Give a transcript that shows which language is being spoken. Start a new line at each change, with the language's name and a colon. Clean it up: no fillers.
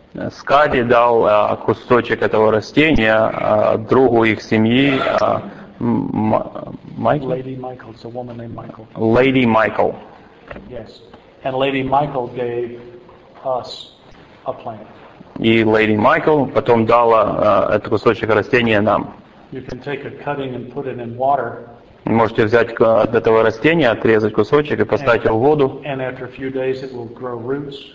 Russian: Скари дал кусочек этого растения другу их семьи.
English: Michael? Lady Michael. It's a woman named Michael. Lady Michael. Yes. And Lady Michael gave us a plant.
Russian: И Lady Michael потом дала этот кусочек растения нам.
English: You can take a cutting and put it in water.
Russian: Можете взять от этого растения, отрезать кусочек и поставить его в воду.
English: And after a few days it will grow roots.